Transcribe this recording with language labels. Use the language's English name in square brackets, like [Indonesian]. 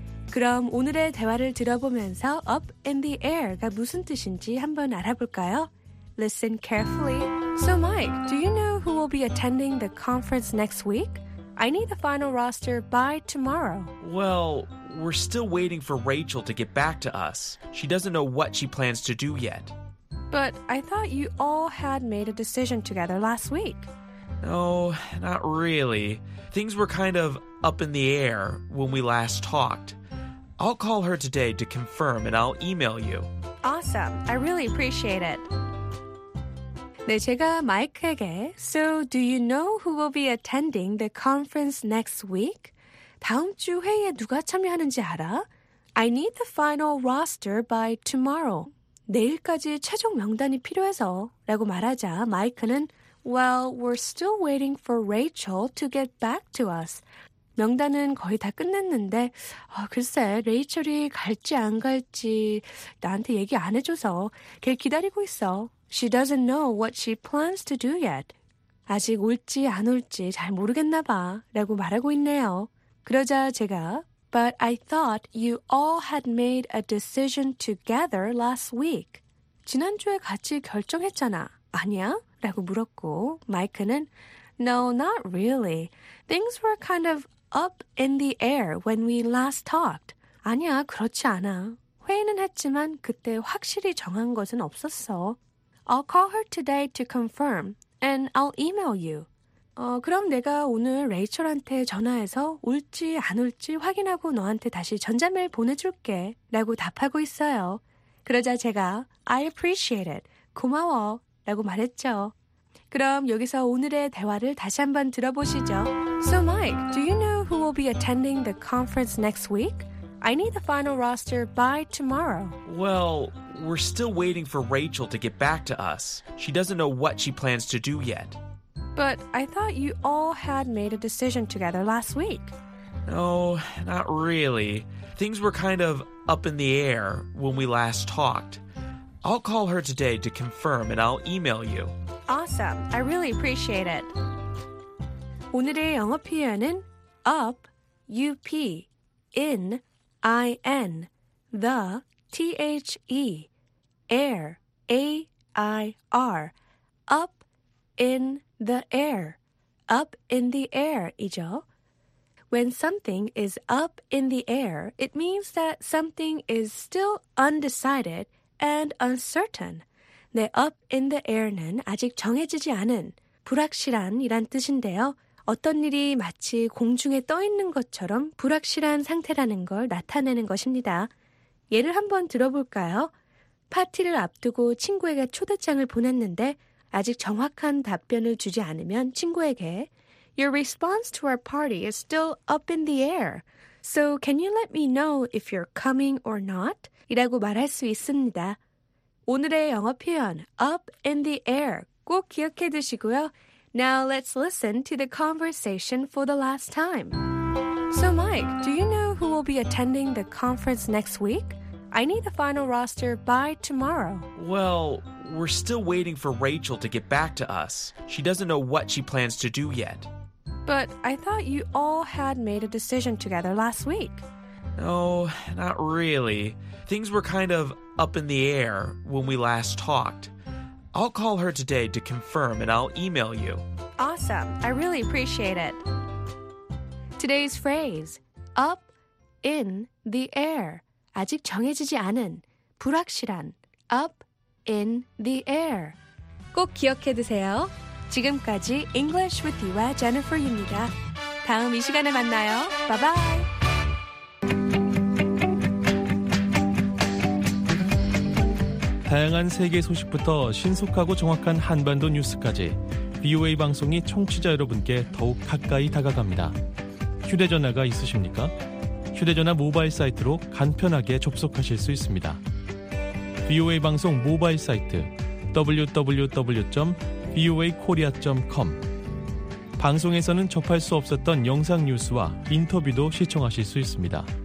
[Korean] 그럼 오늘의 대화를 들어보면서 up in the air가 무슨 뜻인지 한번 알아볼까요? [English] Listen carefully. So Mike, do you know who will be attending the conference next week? I need the final roster by tomorrow. Well, we're still waiting for Rachel to get back to us. She doesn't know what she plans to do yet. But I thought you all had made a decision together last week. No, not really. Things were kind of up in the air when we last talked. I'll call her today to confirm and I'll email you. Awesome. I really appreciate it. [Korean] 네, 제가 마이크에게 [English] So, do you know who will be attending the conference next week? [Korean] 다음 주 회의에 누가 참여하는지 알아? [English] I need the final roster by tomorrow. [Korean] 내일까지 최종 명단이 필요해서 라고 말하자 마이크는 [English] Well, we're still waiting for Rachel to get back to us. [Korean] 명단은 거의 다 끝냈는데 글쎄 레이첼이 갈지 안 갈지 나한테 얘기 안 해줘서 걔 기다리고 있어. [English] She doesn't know what she plans to do yet. [Korean] 아직 올지 안 올지 잘 모르겠나 봐 라고 말하고 있네요. 그러자 제가 [English] But I thought you all had made a decision together last week. [Korean] 지난주에 같이 결정했잖아. 아니야? 라고 물었고 마이크는 [English] No, not really. Things were kind of up in the air when we last talked. [Korean] 아니야, 그렇지 않아. 회의는 했지만 그때 확실히 정한 것은 없었어. [English] I'll call her today to confirm and I'll email you. [Korean] 그럼 내가 오늘 레이첼한테 전화해서 올지 안 올지 확인하고 너한테 다시 전자메일 보내줄게 라고 답하고 있어요. 그러자 제가 [English] I appreciate it. [Korean] 고마워 라고 말했죠. 그럼 여기서 오늘의 대화를 다시 한번 들어보시죠. [English] So Mike, do you know who will be attending the conference next week? I need the final roster by tomorrow. Well, we're still waiting for Rachel to get back to us. She doesn't know what she plans to do yet. But I thought you all had made a decision together last week. No, not really. Things were kind of up in the air when we last talked. I'll call her today to confirm and I'll email you. Awesome. I really appreciate it. [Korean] 오늘의 영어 표현은 up, U-P, in, I-N, the, T-H-E, air, A-I-R, up, in, the air, up in the air이죠. [English] When something is up in the air, it means that something is still undecided and uncertain. [Korean] 네, up in the air는 아직 정해지지 않은, 불확실한이란 뜻인데요. 어떤 일이 마치 공중에 떠 있는 것처럼 불확실한 상태라는 걸 나타내는 것입니다. 예를 한번 들어볼까요? 파티를 앞두고 친구에게 초대장을 보냈는데 아직 정확한 답변을 주지 않으면 친구에게 [English] Your response to our party is still up in the air. So can you let me know if you're coming or not? [Korean] 이라고 말할 수 있습니다. 오늘의 영어 표현, up in the air, 꼭 기억해 두시고요. [English] Now let's listen to the conversation for the last time. So Mike, do you know who will be attending the conference next week? I need the final roster by tomorrow. Well, we're still waiting for Rachel to get back to us. She doesn't know what she plans to do yet. But I thought you all had made a decision together last week. No, not really. Things were kind of up in the air when we last talked. I'll call her today to confirm and I'll email you. Awesome. I really appreciate it. Today's phrase, up in the air. [Korean] 아직 정해지지 않은, 불확실한, up in the air. 꼭 기억해 두세요. 지금까지 English with You와 Jennifer입니다. 다음 이 시간에 만나요. Bye-bye. Daengan Sege Soshikbuto, Shinsukago Chongakan Hanbando News까지, BOA 방송이 청취자 여러분께 더욱 가까이 다가갑니다. 휴대전화가 있으십니까? 휴대전화 모바일 사이트로 간편하게 접속하실 수 있습니다. BOA 방송 모바일 사이트 www.boakorea.com 방송에서는 접할 수 없었던 영상 뉴스와 인터뷰도 시청하실 수 있습니다.